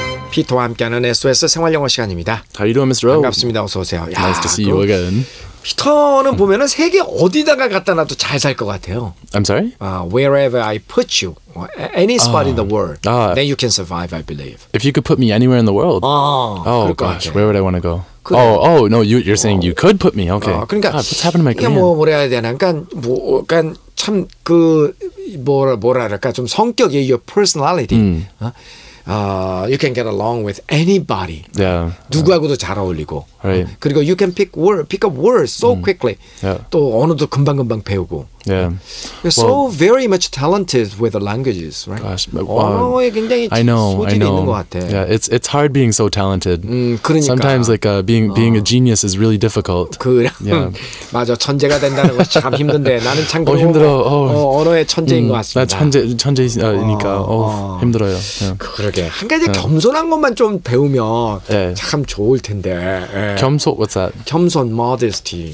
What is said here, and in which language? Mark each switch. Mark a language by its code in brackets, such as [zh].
[ko] 피터와 함께하는 SOS 생활영어 시간입니다. [en] How you doing, Mr. O? [ko] 반갑습니다. 어서 오세요. [en] Nice to see you again. [ko] 피터는 보면은 세계 어디다가 갖다 놔도 잘 살 것 같아요. [en] I'm sorry? Wherever I put you, any spot in the world, then you can survive, I believe. If you could put me anywhere in the world, oh gosh, where would I want to go? 그래. Oh, no, you're saying you could put me. Okay. [ko] 그러니까, [en] God, what's happened to my career? [ko] 뭐 뭐라 해야 되나? 그러니까 참 그 뭐랄까 좀 성격이 [en] your personality. You can get along with anybody. Yeah. [ko] 누구하고도 잘 어울리고. [en] Right. 그리고 you can pick up words so quickly. Yeah. [ko] 또 언어도 금방 배우고. [en] Yeah. You're so very much talented with the languages, right? Gosh, [ko] 언어에 굉장히 소질이 있는 것 같아. [en] Yeah, it's hard being so talented. [ko] 그러니까. [en] Sometimes like being a genius is really difficult. [ko] 그래. [en] Yeah. [ko] 맞아, 천재가 된다는 거 참 힘든데 나는 참 힘들어. 언어의 천재인 것 같습니다. 나 천재니까 힘들어요. Yeah. 그러게. 한 가지 겸손한 것만 좀 배우면 참 좋을 텐데. [en] 겸손, what's that? [ko] 겸손, modesty.